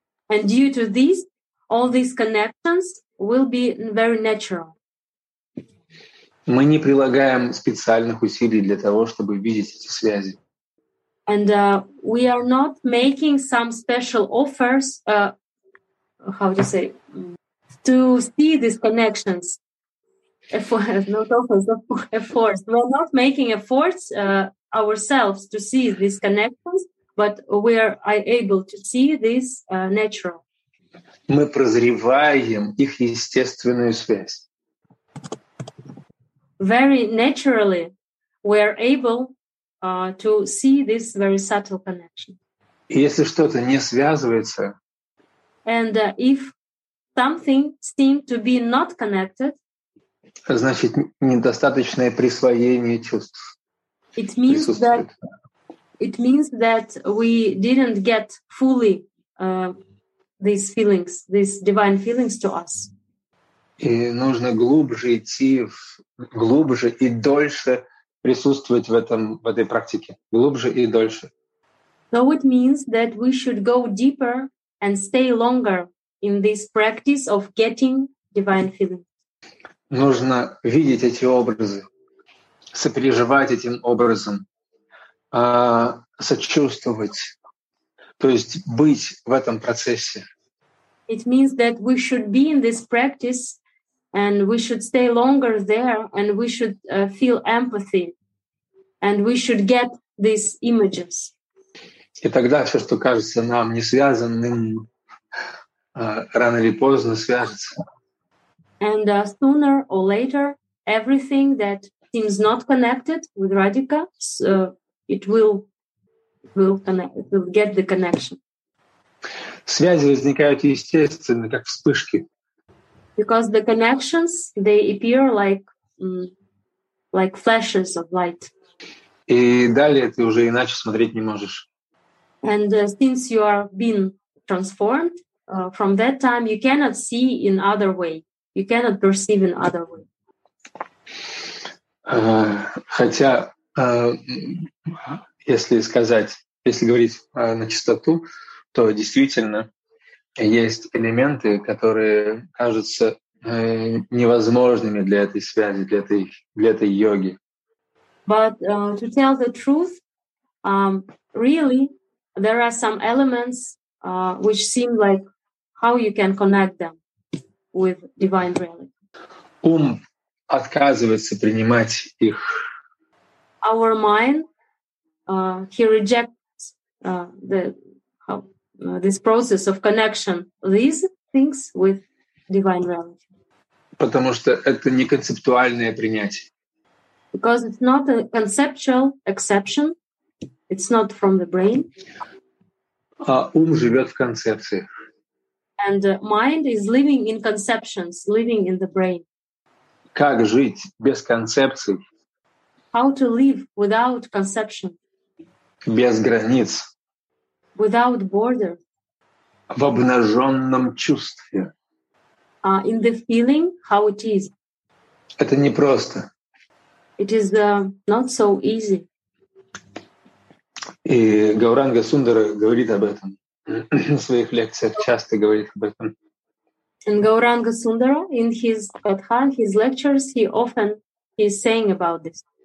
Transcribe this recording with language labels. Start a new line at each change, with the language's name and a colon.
English: And due to this, all these connections will be very natural.
Russian: Мы не прилагаем специальных усилий для того, чтобы видеть эти связи.
English: And we are not making some special offers, to see these connections. We're not making efforts ourselves to see these connections, but we are able to see this natural.
Russian: Мы прозреваем их естественную связь.
English: Very naturally, we are able to see this very subtle connection.
Russian: Если что-то не связывается,
English: and if something seems to be not connected,
Russian: значит, недостаточное присвоение чувств.
English: It means that we didn't get fully these feelings, these divine feelings to us.
Russian: И нужно глубже идти, глубже и дольше присутствовать в этой практике. Глубже и дольше.
English: So it means that we should go deeper and stay longer in this practice of getting divine feelings.
Russian: Нужно видеть эти образы, сопереживать этим образом, сочувствовать, то есть быть в этом процессе.
English: It means that we should be in this practice and we should stay longer there and we should feel empathy and we should get these images.
Russian: И тогда все, что кажется нам не связанным, рано или поздно свяжется.
English: And sooner or later, everything that seems not connected with Radhika, so it will connect. It will get the connection.
Russian: Связи возникают естественно, как вспышки.
English: Because the connections they appear like like flashes of light.
Russian: И далее ты уже иначе смотреть не можешь.
English: And since you are being transformed, from that time you cannot see in other way. You cannot perceive in other way.
Russian: Хотя, если сказать, если говорить на чистоту, то действительно есть элементы, которые кажутся невозможными для этой связи, для этой йоги.
English: But to tell the truth, really, there are some elements which seem like how you can connect them with divine reality.
Russian: Ум отказывается принимать их.
English: Our mind, he rejects this process of connection, these things with divine reality.
Russian: Потому что это не концептуальное принятие.
English: Because it's not a conceptual exception, it's not from the brain.
Russian: А ум живет в концепциях.
English: And the mind is living in conceptions, living in the brain.
Russian: Как жить без концепций?
English: How to live without conception?
Russian: Без границ.
English: Without border.
Russian: В обнаженном чувстве.
English: In the feeling, how it is.
Russian: Это непросто.
English: It is not so easy.
Russian: И Гауранга Сундара говорит об этом. В своих лекциях часто говорит об этом.
English: And Gauranga Sundara, in his Katha, his lectures, he often is saying about this.